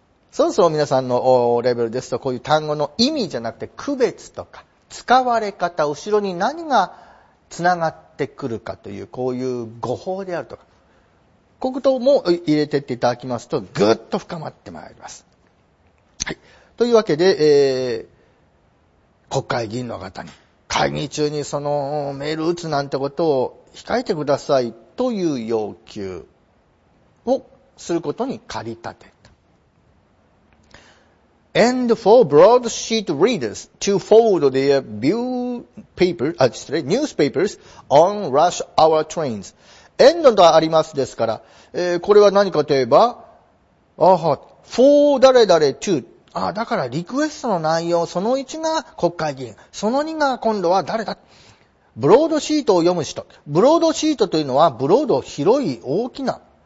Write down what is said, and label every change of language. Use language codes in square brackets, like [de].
[ja] そろそろ皆さんのレベルですと、こういう単語の意味じゃなくて区別とか使われ方、後ろに何がつながってくるかという、こういう語法であるとか、こことも入れていっていただきますと、ぐっと深まってまいります。はい。というわけで、国会議員の方に、会議中にそのメール打つなんてことを控えてくださいという要求をすることに駆り立てた。 [en] And for broadsheet readers to forward their newspapers on rush hour trains. [ja] エンドとありますですから、これは何かといえば、ああ、 [en] for [ja] 誰誰 [en] to、 [ja] ああ、だからリクエストの内容、その1が国会議員、その2が今度は誰だ。ブロードシートを読む人。ブロードシートというのは、ブロード、広い、大きな。